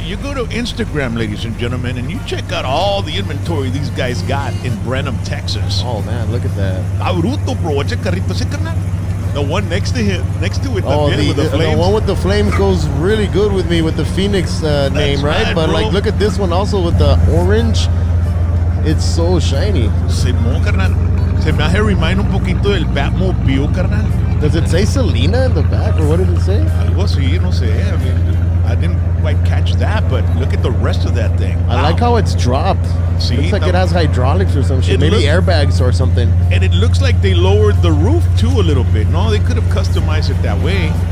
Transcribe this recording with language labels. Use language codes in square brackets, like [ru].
[en] You go to Instagram, ladies and gentlemen, and you check out all the inventory these guys got in Brenham, Texas. Oh, man, look at that. [es] A bruto, bro. Watch a carrito. Ese carnal. [en] The one next to him, next to it, the flames. The one with the flame goes really good with me with the Phoenix name, right? But, bro, like, look at this one also with the orange. It's so shiny. [es] Simón, carnal. Se me hace remind un poquito del Batmobile, carnal. [en] Does it say Selena in the back, or what did it say? [es] Algo así, no sé. [en] I mean, I didn't quite catch that, but look at the rest of that thing. I like how it's dropped. See, looks like it has hydraulics or some shit. Maybe airbags or something. And it looks like they lowered the roof, too, a little bit. No, they could have customized it that way.